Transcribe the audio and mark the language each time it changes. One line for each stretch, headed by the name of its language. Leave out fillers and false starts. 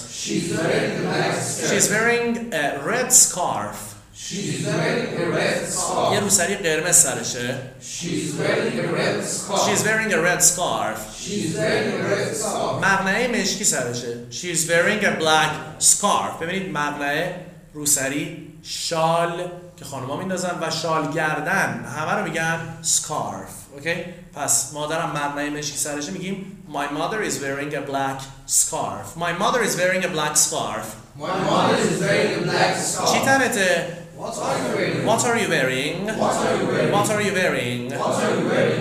English: She is wearing a black skirt. She is wearing a black skirt. She is wearing a red scarf. She's wearing a red scarf.
Persian: یه روسری قرمز سرشه.
English: She's wearing a red scarf. She's wearing a red scarf. She's wearing a red scarf.
Persian: مقنعه مشکی سرشه.
English: She's wearing a black scarf.
Persian: ببینید مقنعه روسری شال که خانم‌ها میندازن و شال گردن همه رو میگن scarf. اوکی؟ پس مادرم مقنعه مشکی سرشه میگیم
English: My mother is wearing a black scarf. My mother is wearing a black scarf. My mother is wearing a black scarf.
Persian: چی تنته؟
English: What are you wearing? What are you wearing? What are you wearing? What are you wearing? What are you wearing?